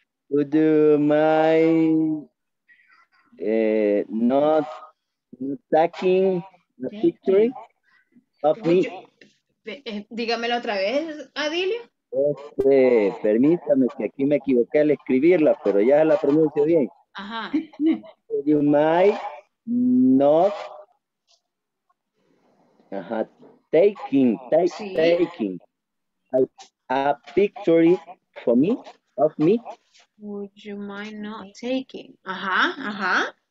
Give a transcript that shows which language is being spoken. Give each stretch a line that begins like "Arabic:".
English: Would you mind not taking the picture of me?
Spanish: Dígamelo otra vez, Adilio. Permítame, que aquí me equivoqué al escribirla, pero ya la pronuncio bien. Ajá.
English: Would you mind not taking a picture for me, of me? Would you mind not taking?
Spanish: Ajá, ajá.